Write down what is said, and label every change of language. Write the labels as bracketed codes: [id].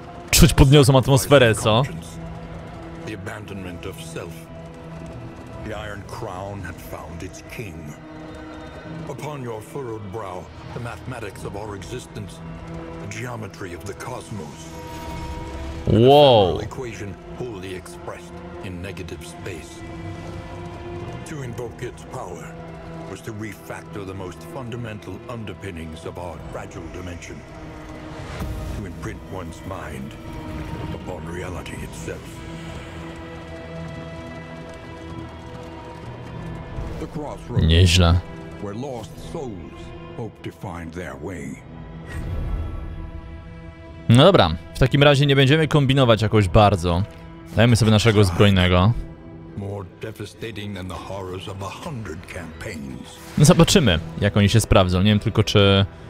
[pl] Czuć podniosłą atmosferę, co? [en] The abandonment of self. The Iron Crown had found its king. Upon your furrowed brow, the mathematics of our existence, the geometry of the cosmos. Whoa! Equation wholly expressed in negative space. To invoke its power was to refactor the most fundamental underpinnings of our fragile dimension. To imprint one's mind upon reality itself. The crossroads. [pl] Nieźle. [en] Where lost souls hope to find their way. [pl] No dobra, w takim razie nie będziemy kombinować jakoś bardzo. Dajmy sobie naszego zbrojnego. [en] More devastating than the horrors of a hundred campaigns. [pl] No zobaczymy, jak oni się sprawdzą. Nie wiem tylko, czy...